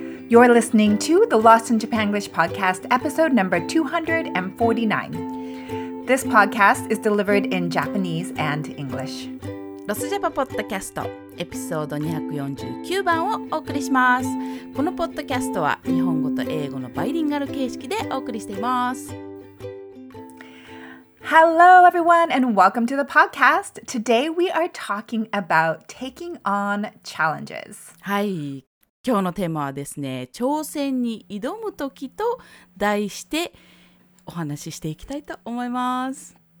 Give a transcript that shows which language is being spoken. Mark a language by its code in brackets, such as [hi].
[en] You're listening to the Lost in Japanglish podcast, episode number 249. This podcast is delivered in Japanese and English. [ja] ロスジャパポッドキャストエピソード249番をお送りします。このポッドキャストは日本語と英語のバイリンガル形式でお送りしています。 [en] Hello everyone and welcome to the podcast. Today we are talking about taking on challenges. [ja] はい、今日のテーマはですね、挑戦に挑む時と題してお話ししていきたいと思います。